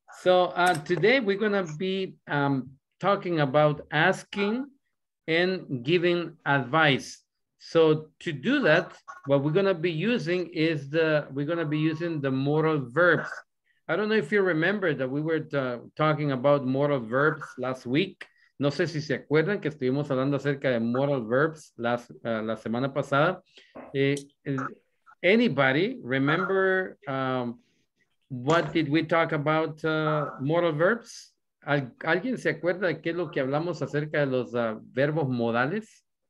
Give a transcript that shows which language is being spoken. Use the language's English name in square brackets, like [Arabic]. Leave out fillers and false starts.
[English] So today we're going to be talking about asking and giving advice. So to do that, what we're going to be using is the modal verbs. I don't know if you remember that we were talking about modal verbs last week. [Spanish] No sé si se acuerdan que estuvimos hablando acerca de modal verbs la semana pasada. [English] Anybody remember what did we talk about modal verbs? [Spanish] ¿Alguien se acuerda de qué es lo que hablamos acerca de los verbos modales?